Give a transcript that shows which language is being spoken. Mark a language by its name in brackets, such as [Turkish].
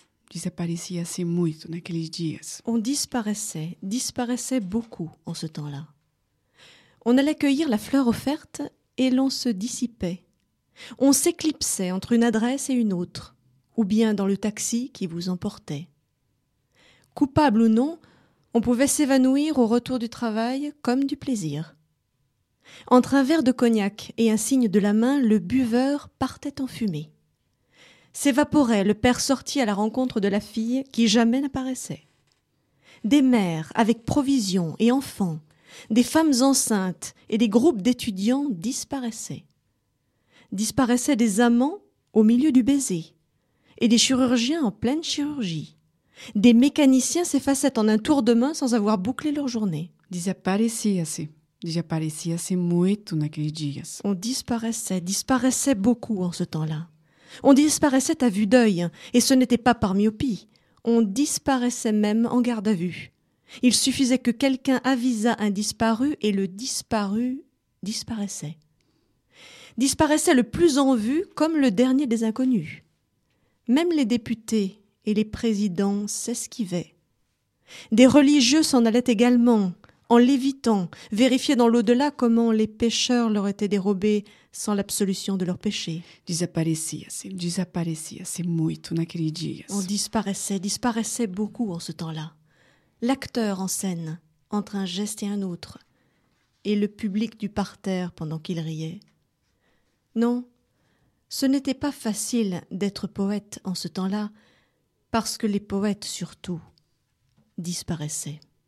[Portuguese] Desaparecia-se muito naqueles dias. [French] On disparaissait beaucoup en ce temps-là. On allait cueillir la fleur offerte et l'on se dissipait. On s'éclipsait entre une adresse et une autre, ou bien dans le taxi qui vous emportait. Coupable ou non, on pouvait s'évanouir au retour du travail comme du plaisir. Entre un verre de cognac et un signe de la main, le buveur partait en fumée. S'évaporait le père sorti à la rencontre de la fille qui jamais n'apparaissait. Des mères avec provisions et enfants, des femmes enceintes et des groupes d'étudiants disparaissaient. Disparaissaient des amants au milieu du baiser. et des chirurgiens en pleine chirurgie. Des mécaniciens s'effaçaient en un tour de main sans avoir bouclé leur journée. [Portuguese] Desaparecia-se muito naqueles dias. [French] On disparaissait beaucoup en ce temps-là. On disparaissait à vue d'œil, et ce n'était pas par myopie. On disparaissait même en garde à vue. Il suffisait que quelqu'un avisât un disparu et le disparu disparaissait. Disparaissait le plus en vue comme le dernier des inconnus. Même les députés et les présidents s'esquivaient. Des religieux s'en allaient également, en lévitant, vérifiaient dans l'au-delà comment les pécheurs leur étaient dérobés sans l'absolution de leurs péchés. [Portuguese] Desaparecia-se muito naqueles dias. [French] On disparaissait beaucoup en ce temps-là. L'acteur en scène, entre un geste et un autre, et le public du parterre pendant qu'il riait. Non, ce n'était pas facile d'être poète en ce temps-là, parce que les poètes surtout disparaissaient.